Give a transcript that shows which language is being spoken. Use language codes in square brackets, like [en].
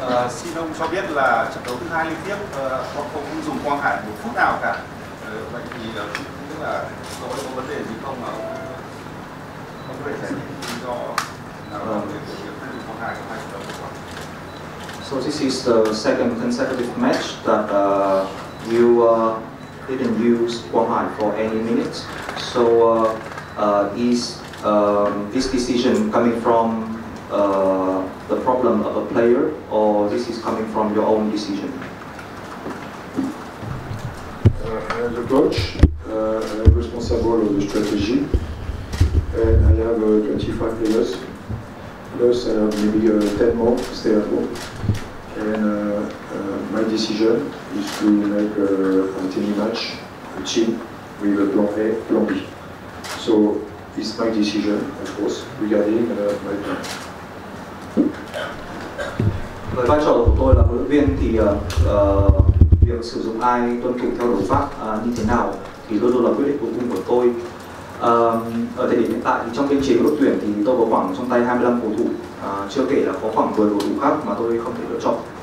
[vi] Xin ông cho biết là trận đấu thứ hai liên tiếp họ không dùng Quang Hải một phút nào cả. Vậy thì có vấn đề gì không mà ông có thể giải thích lý do nào đó về việc không dùng Quang Hải trong hai trận đấu vừa qua? [en] So this is the second consecutive match that didn't use Quang Hải for any minutes. So is this decision coming from the problem of a player, or this is coming from your own decision? The coach is responsible of the strategy, and I have 25 players. Plus, maybe 10 more to stay at home. And my decision is to make any match a team with a plan A, plan B. So it's my decision, of course, regarding my plan. [vi] Với vai trò của tôi là huấn luyện viên thì việc sử dụng ai tuân thủ theo luật pháp như thế nào thì luôn luôn là quyết định cuối cùng của tôi. Ở thời điểm hiện tại thì trong biên chế của đội tuyển thì tôi có khoảng trong tay 25 cầu thủ, chưa kể là có khoảng 10 cầu thủ khác mà tôi không thể lựa chọn.